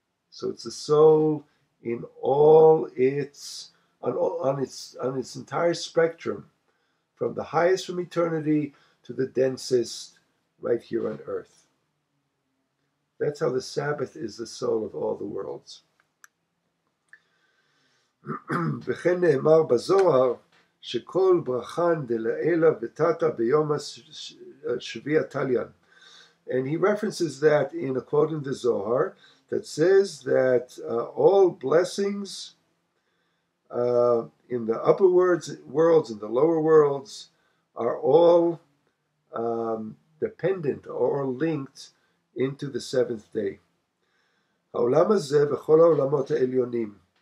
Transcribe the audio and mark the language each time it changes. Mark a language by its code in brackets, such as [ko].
[en] So it's the soul in all its on its entire spectrum, from the highest from eternity to the densest right here on earth. That's how the Sabbath is the soul of all the worlds. [he] וכן נאמר בזוהר [arc] שכל ברכן דלעילה ותתה ביום השביע תליין. [en] And he references that in a quote in the Zohar that says that all blessings in the upper worlds and the lower worlds are all dependent or linked into the seventh day. [he] העולם הזה וכל העולמות העליונים.